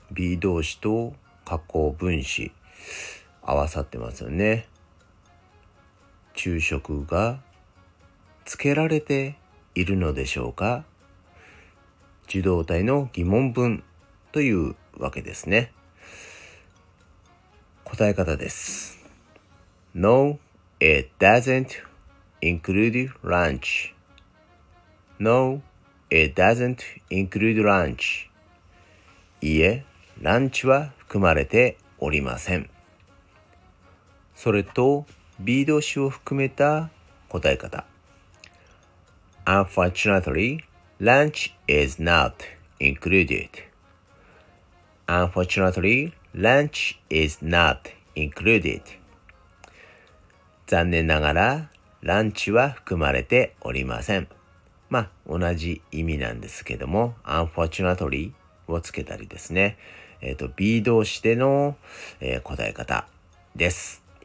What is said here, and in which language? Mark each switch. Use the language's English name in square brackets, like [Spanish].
[Japanese] B 動詞と過去分詞合わさってますよね。昼食がつけられているのでしょうか。受動態の疑問文というわけですね。答え方です。 [English] No, it doesn't include lunch. No, it doesn't include lunch. [Japanese] いいえ、ランチは含まれておりません。それと、B 動詞を含めた答え方。 [English] Unfortunately, lunch is not included. Unfortunately, lunch is not included. [Japanese] 残念ながら、ランチは含まれておりません。まあ、同じ意味なんですけども、Unfortunatelyをつけたりですね、B 動詞での、答え方です。